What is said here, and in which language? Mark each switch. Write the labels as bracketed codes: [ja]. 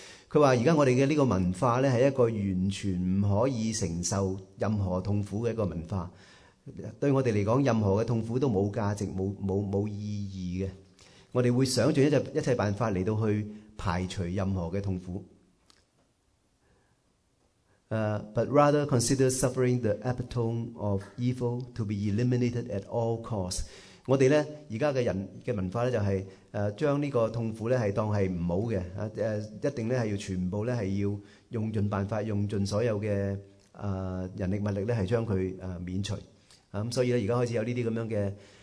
[zh] 他說現在我們的這個文化是一個完全不可以承受任何痛苦的一個文化，對我們來說任何的痛苦都沒有價值，沒有意義的，我們會想盡一切辦法來到去排除任何的痛苦。 [en] But rather consider suffering the epitome of evil to be eliminated at all costs。 [zh] 我們呢現在的人的文化呢，就是將這個痛苦呢是當是不好的，一定呢是要全部呢是要用盡辦法，用盡所有的人力物力呢是將它免除，所以呢現在開始有這些這樣的